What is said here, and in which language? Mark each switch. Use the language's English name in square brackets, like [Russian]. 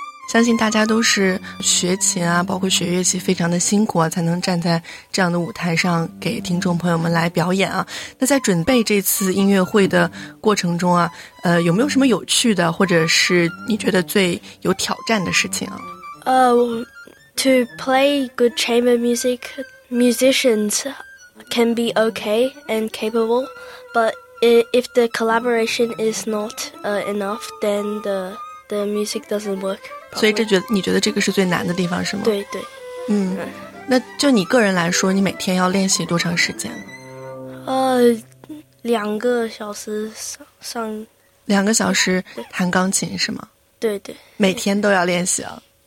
[Chinese] 相信大家都是学琴啊，包括学乐器非常的辛苦啊，才能站在这样的舞台上给听众朋友们来表演啊。那在准备这次音乐会的过程中啊，有没有什么有趣的或者是你觉得最有挑战的事情啊？ [English] To play good chamber music, musicians can be okay and capable, but if the collaboration is not enough, then the music doesn't work. [Chinese] 所以这觉得你觉得这个是最难的地方是吗？对对。那就你个人来说，你每天要练习多长时间？两个小时上。两个小时弹钢琴是吗？对对。每天都要练习啊。